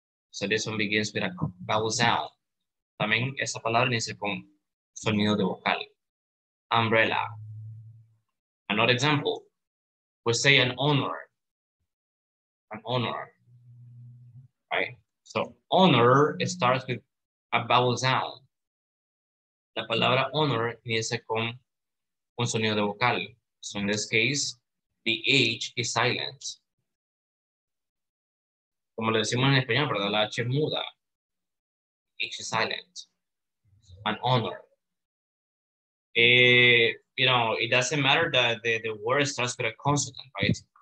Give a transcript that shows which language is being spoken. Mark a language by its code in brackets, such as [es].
[en] So this one begins with a vowel sound. [es] También esa palabra inicia con sonido de vocal. [en] Umbrella. Another example. We say an honor. An honor. Right? So honor starts with a vowel sound. [es] La palabra honor inicia con un sonido de vocal. [en] So in this case, the H is silent. [es] Como le decimos en español, ¿verdad? La H muda. [en] H is silent. An honor. You know, it doesn't matter that the word starts with a consonant, right?